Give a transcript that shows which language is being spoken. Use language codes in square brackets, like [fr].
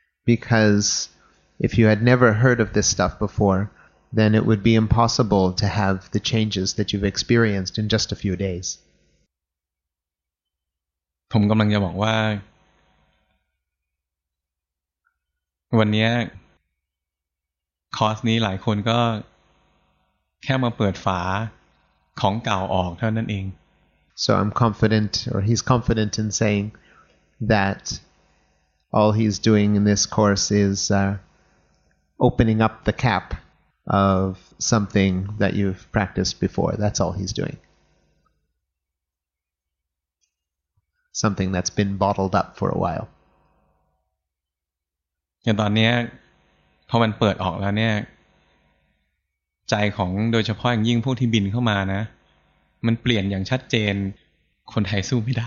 [en] Because if you had never heard of this stuff before, then it would be impossible to have the changes that you've experienced in just a few days. [th] ผมกำลังจะบอกว่าวันนี้คอร์สนี้หลายคนก็แค่มาเปิดฝาของเก่าออกเท่านั้นเอง [en] So I'm confident or he's confident in saying that all he's doing in this course is opening up the cap of something that you've practiced before that's all he's doing something that's been bottled up for a while [th] อย่างตอนนี้พอมันเปิดออกแล้วเนี่ยใจของโดยเฉพาะอย่างยิ่งพวกที่บินเข้ามานะมันเปลี่ยนอย่างชัดเจนคนไทยสู้ไม่ได